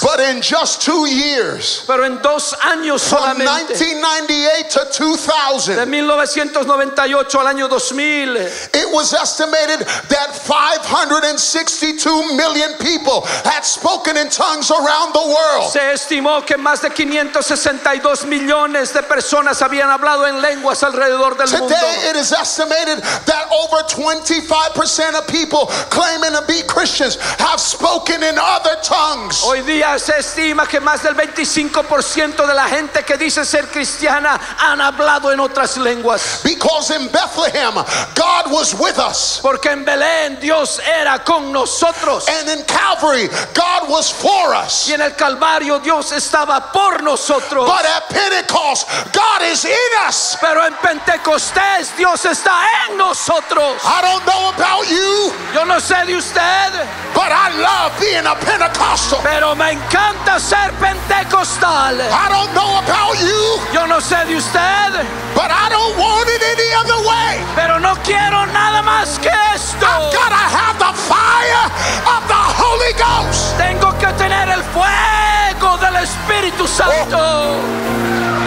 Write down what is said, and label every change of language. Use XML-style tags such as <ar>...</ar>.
<en>But in just 2 years,</en> <es>pero en dos años solamente,</es> <en>from 1998 to 2000,</en> <es>de 1998 al año 2000,</es> <en>it was estimated that 562 million people had spoken in tongues around the world.</en> <es>Se estimó que más de 562 millones de personas habían hablado en lenguas alrededor del</es> <en>today, Today it is estimated that over 25% of people claiming to be Christians have spoken in other tongues.</en> <es>Hoy día se estima que más del 25% de la gente que dice ser cristiana han hablado en otras lenguas.</es> <en>Because in Bethlehem God was with us.</en> <es>Porque en Belén, Dios era con nosotros.</es> <en>And in Calvary, God was for us.</en> <es>Y en el Calvario, Dios estaba por nosotros.</es> <en>But at Pentecost, God is in us.</en> <es>Pero en Pentecostés, Dios está en nosotros.</es> <en>I don't know about you.</en> <es>Yo no sé de usted.</es> <en>But I love being a Pentecostal.</en> <es>Pero me encanta ser pentecostal.</es> <en>I don't know about you.</en> <es>Yo no sé de usted.</es> <en>But I don't want it any other way.</en> <es>Pero no quiero nada más que esto.</es> <en>I've got to have the fire of the Holy Ghost.</en> <es>Tengo que tener el fuego del Espíritu Santo.</es>